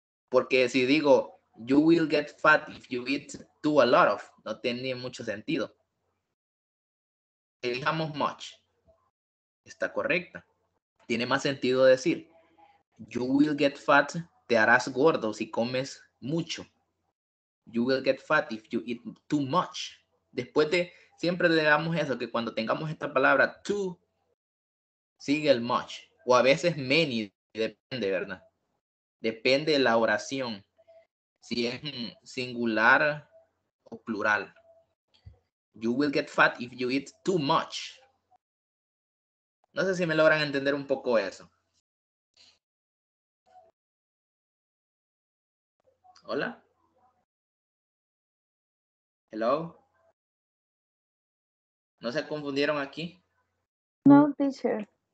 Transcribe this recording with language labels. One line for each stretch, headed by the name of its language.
Spanish: Porque si digo,
English: you will get fat if you eat too a lot of,
Spanish: no tiene mucho sentido. Elijamos much. Está correcta. Tiene más sentido decir,
English: you will get fat,
Spanish: te harás gordo si comes mucho.
English: You will get fat if you eat too much.
Spanish: Después de, siempre le damos eso, que cuando tengamos esta palabra too, sigue el much. O a veces many, depende, ¿verdad? Depende de la oración, si es singular o plural.
English: You will get fat if you eat too much.
Spanish: No sé si me logran entender un poco eso. Hola.
English: Hello.
Spanish: ¿No se confundieron aquí? No, teacher.